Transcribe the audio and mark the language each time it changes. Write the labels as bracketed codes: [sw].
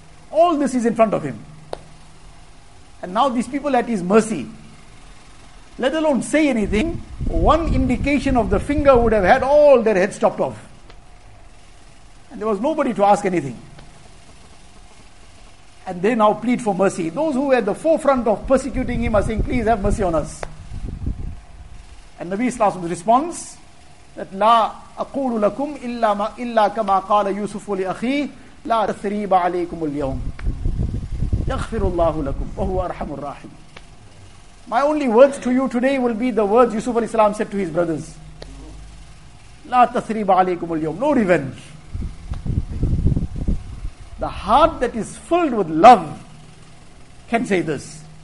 [en] All this is in front of him. And now these people at his mercy, let alone say anything, one indication of the finger would have had all their heads chopped off. And there was nobody to ask anything. And they now plead for mercy. Those who were at the forefront of persecuting him are saying, please have mercy on us. And Nabi Sallallahu Alaihi Wasallam's response, that [ar] لا أقول لكم إلا كما قال يوسف لأخيه لا تثريب عليكم اليوم يغفر الله لكم وهو أرحم الراحم. [en] My only words to you today will be the words Yusuf alayhi salam said to his brothers. [ar] لا تثريب عليكم اليوم. [en] No revenge. The heart that is filled with love can say this.